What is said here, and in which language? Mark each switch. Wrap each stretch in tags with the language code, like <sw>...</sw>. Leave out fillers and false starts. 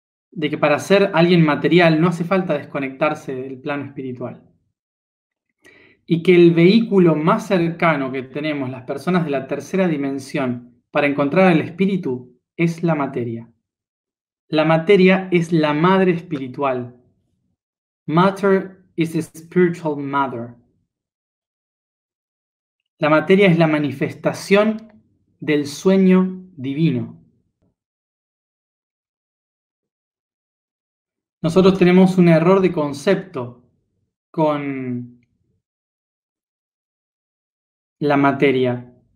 <es>De que para ser alguien material no hace falta desconectarse del plano espiritual. Y que el vehículo más cercano que tenemos las personas de la tercera dimensión para encontrar el espíritu es la materia. La materia es la madre espiritual.</es> <en>Matter is the spiritual mother.</en> <es>La materia es la manifestación del sueño divino. Nosotros tenemos un error de concepto con la materia.</es>